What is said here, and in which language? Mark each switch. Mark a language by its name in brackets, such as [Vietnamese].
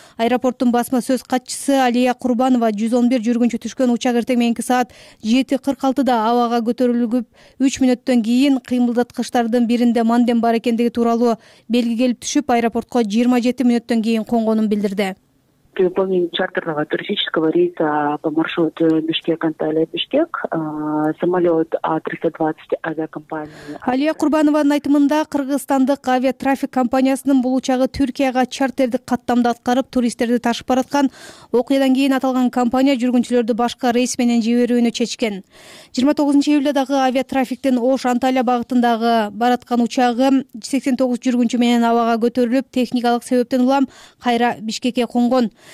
[Kyrgyz] Аэропорттун басма сөз катчысы Алия Курбанова 111 жүргүнчү түшкөн учак эртең мененки саат 7:46 абага көтөрүлүп 3 мүнөттөн кийин кыймылдаткычтардын биринде мандем бар экендиги тууралуу белги келип түшүп, аэропортко 27 мүнөттөн кийин конгонун билдирди. [Russian] При выполнении чартерного туристического рейса по маршруту Бишкек-Анталия-Бишкек самолет A320 авиакомпания. [Kyrgyz] Алия Курбанованын айтымында кыргызстандык авиатрафик компаниясынын бул учагы Түркияга чартердик каттамды аткарып туристтерди ташып бараткан. Окуядан кийин аталган компания жүргүнчүлөрдү башка рейс менен жиберүүнү чечкен. 29 июлда дагы авиатрафиктин Ош Анталия багытындагы бараткан учагы 89 жүргүнчү менен абага көтөрүлүп, техникалык себептен улам кайра Бишкекке конгон.